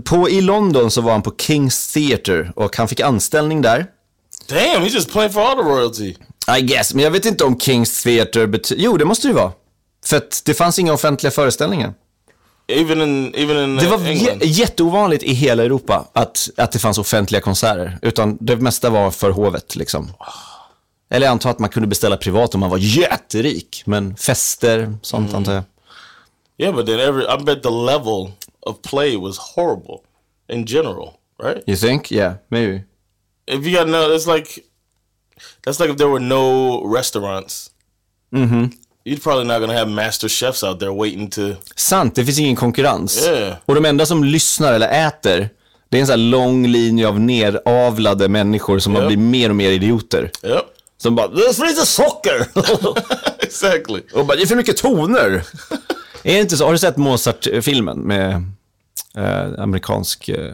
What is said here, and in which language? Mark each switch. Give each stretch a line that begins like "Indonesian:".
Swedish: I London så var han på King's Theatre och han fick anställning där.
English: Damn, he just played for all the royalty. I guess,
Swedish: men jag vet inte om King's Theatre jo, det måste det vara. För att det fanns inga offentliga föreställningar.
English: Even in
Swedish: det var jätteovanligt i hela Europa att det fanns offentliga konserter, utan det mesta var för hovet liksom. Eller jag antar att man kunde beställa privat om man var jätterik, men fester sånt antar jag.
English: Yeah, but then I bet the level of play was horrible in general, right? You think? Yeah, maybe. If you got no, that's like if there were no restaurants. Mhm. You're probably not gonna have master chefs out there waiting to.
Swedish: Sant, det finns ingen konkurrens.
English: Yeah.
Swedish: Och de enda som lyssnar eller äter, det är en sån här lång linje av neravlade människor som har blivit mer och mer idioter.
English: Yep.
Swedish: Som bara, det är för lite socker.
English: Exactly.
Swedish: Och bara, det är för mycket toner. Är det inte så? Har du sett Mozart-filmen med amerikansk...